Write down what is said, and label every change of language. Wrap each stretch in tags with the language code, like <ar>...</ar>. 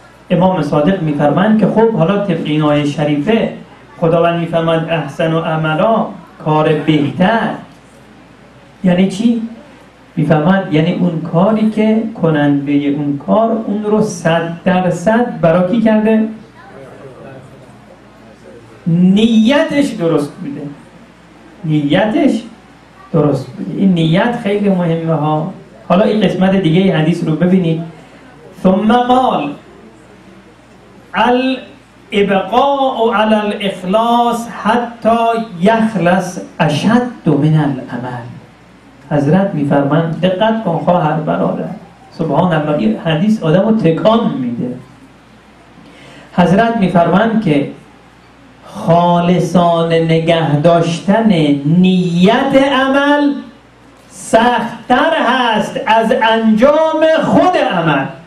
<fa>امام صادق می فرمان که خب حالا تفقینای شریفه خداوند می فرمان احسن و عملا کار بهتر یعنی چی؟ می فرمان یعنی اون کاری که کننده اون کار اون رو 100% برا کی کرده؟ نیتش درست بوده. نیتش درست بوده. این نیت خیلی مهمه ها. حالا این قسمت دیگه ای حدیث رو ببینید.</fa> <ar>ثم قال الابقاء على الاخلاص حتی یخلص اشد من العمل.</ar> <fa>حضرت می فرمند دقت کن خواهر برادر، سبحان الله، این حدیث آدم رو تکان میده. حضرت می فرمند که خالصان نگه داشتن نیت عمل سخت‌تر هست از انجام خود عمل.</fa>